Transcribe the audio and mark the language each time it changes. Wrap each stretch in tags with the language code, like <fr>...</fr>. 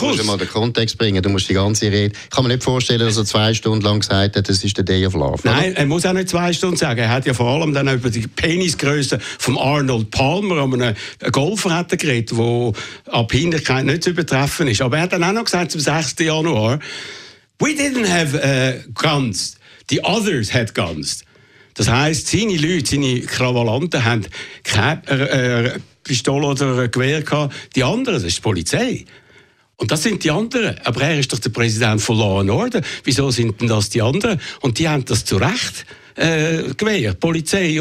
<de>Du musst mal den Kontext bringen. du musst die ganze Rede. Ich kann mir nicht vorstellen, dass er zwei Stunden lang gesagt hat, das ist der Day of Love. Nein, oder? Er muss auch nicht zwei Stunden sagen. Er hat ja vor allem dann über die Penisgröße von Arnold Palmer, um einen Golfretter geredet, der an Behinderkeit nicht zu übertreffen ist. Aber er hat dann auch noch gesagt, zum 6.</de> <en>Januar, we didn't have guns, the others had guns.</en> <de>Das heisst, seine Leute, seine Krawallanten haben keine Pistole oder Gewehr gehabt. Die anderen, das ist die Polizei. Und das sind die anderen. Aber er ist doch der Präsident von Law and Order. Wieso sind denn das die anderen? Und die haben das zu Recht gewehrt, Polizei.</de>